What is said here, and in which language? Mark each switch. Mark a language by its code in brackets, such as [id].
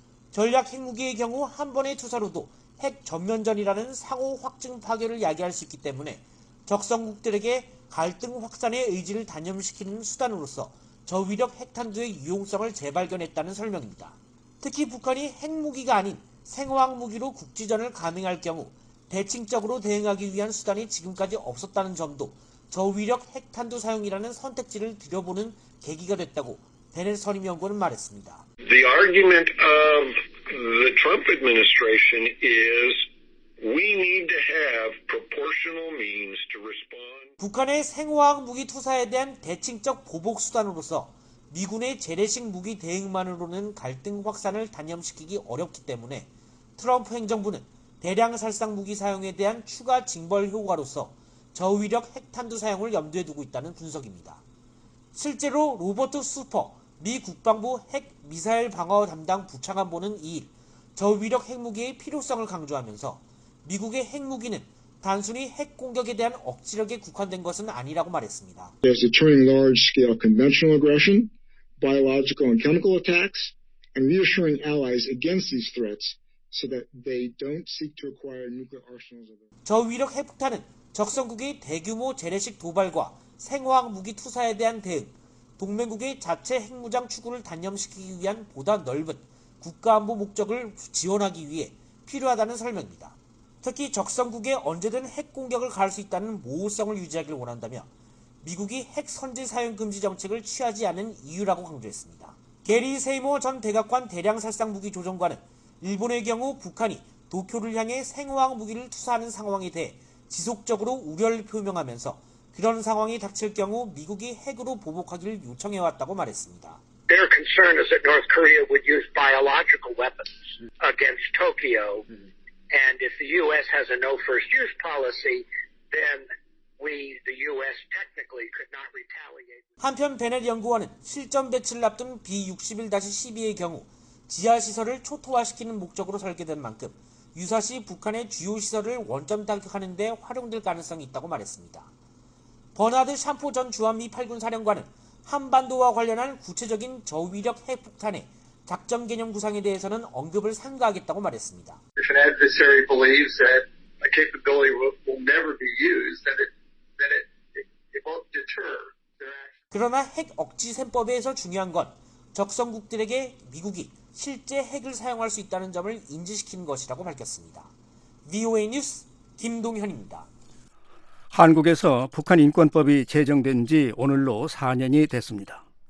[ko] 전략 핵무기의 경우 한 번의 투사로도 핵 전면전이라는 상호 확증 파괴를 야기할 수 있기 때문에 적성국들에게 갈등 확산의 의지를 단념시키는 수단으로서 저위력 핵탄두의 유용성을 재발견했다는 설명입니다. 특히 북한이 핵무기가 아닌 생화학무기로 국지전을 감행할 경우 대칭적으로 대응하기 위한 수단이 지금까지 없었다는 점도 저위력 핵탄두 사용이라는 선택지를 들여보는 계기가 됐다고 베넷 선임연구원은 말했습니다. [en] The argument of the Trump administration is we need to have proportional means to respond. [ko] 북한의 생화학 무기 투사에 대한 대칭적 보복 수단으로서 미군의 재래식 무기 대응만으로는 갈등 확산을 단념시키기 어렵기 때문에 트럼프 행정부는 대량 살상 무기 사용에 대한 추가 징벌 효과로서 저위력 핵탄두 사용을 염두에 두고 있다는 분석입니다. 실제로 로버트 슈퍼 미 국방부 핵 미사일 방어 담당 부차관보는 2일 저위력 핵무기의 필요성을 강조하면서 미국의 핵무기는 단순히 핵 공격에 대한 억지력에 국한된 것은 아니라고 말했습니다. [en] There's a turning large scale conventional aggression, biological and chemical attacks, and reassuring allies against these threats so that they don't seek to acquire nuclear arsenals. [ko] 저위력 핵폭탄은 적성국의 대규모 재래식 도발과 생화학 무기 투사에 대한 대응, 동맹국의 자체 핵무장 추구를 단념시키기 위한 보다 넓은 국가안보 목적을 지원하기 위해 필요하다는 설명입니다. 특히 적성국에 언제든 핵 공격을 가할 수 있다는 모호성을 유지하길 원한다며 미국이 핵 선제 사용 금지 정책을 취하지 않은 이유라고 강조했습니다. 게리 세이모 전 대각관 대량 살상 무기 조정관은 일본의 경우 북한이 도쿄를 향해 생화학 무기를 투사하는 상황에 대해 지속적으로 우려를 표명하면서 그런 상황이 닥칠 경우 미국이 핵으로 보복하기를 요청해왔다고 말했습니다. [en] Their concern is that North Korea would use biological weapons against Tokyo. And if the U.S. has a no first use policy, then we, the U.S. technically could not retaliate. [ko] 한편 베넷 연구원은 실전 배치를 앞둔 B-61-12의 경우 지하시설을 초토화시키는 목적으로 설계된 만큼 유사시 북한의 주요 시설을 원점 타격하는 데 활용될 가능성이 있다고 말했습니다. 버나드 샴포 전 주한미 8군 사령관은 한반도와 관련한 구체적인 저위력 핵폭탄의 작전 개념 구상에 대해서는 언급을 삼가하겠다고 말했습니다. [en] If an adversary believes that a capability will never be used, that it won't deter their action. [ko] 그러나 핵 억지 셈법에서 중요한 건 적성국들에게 미국이 실제 핵을 사용할 수 있다는 점을 인지시키는 것이라고 밝혔습니다. VOA 뉴스 김동현입니다. 한국에서 북한 인권법이 제정된 지 오늘로 4년이 됐습니다.